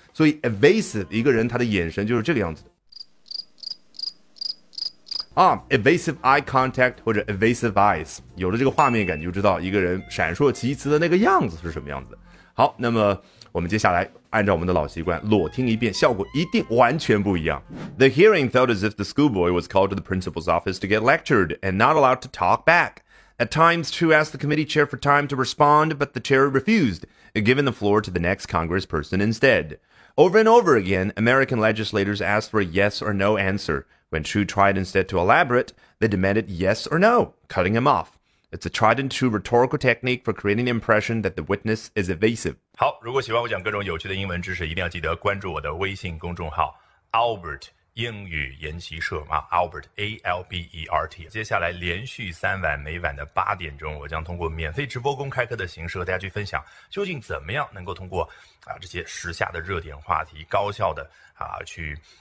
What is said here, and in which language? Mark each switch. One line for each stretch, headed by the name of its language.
Chinese: 所以 evasive 一个人他的眼神就是这个样子的。啊、evasive eye contact 或者 evasive eyes， 有了这个画面感就知道一个人闪烁其词的那个样子是什么样子。好，那么我们接下来按照我们的老习惯裸听一遍，效果一定完全不一样。
English: The hearing felt as if the schoolboy was called to the principal's office to get lectured and not allowed to talk back. At times, Chu asked the committee chair for time to respond, but the chair refused, giving the floor to the next congressperson instead. Over and over again, American legislators asked for a yes or no answerWhen Chu tried instead to elaborate, they demanded yes or no, cutting him off. It's a tried and true rhetorical technique for creating the impression that the witness is evasive.
Chinese: 好，如果喜欢我讲各种有趣的英文知识，一定要记得关注我的微信公众号 Albert 英语研习社啊 ，Albert A L B E R T。接下来连续三晚，每晚的8点钟，我将通过免费直播公开课的形式和大家去分享，究竟怎么样能够通过这些时下的热点话题，高效的去。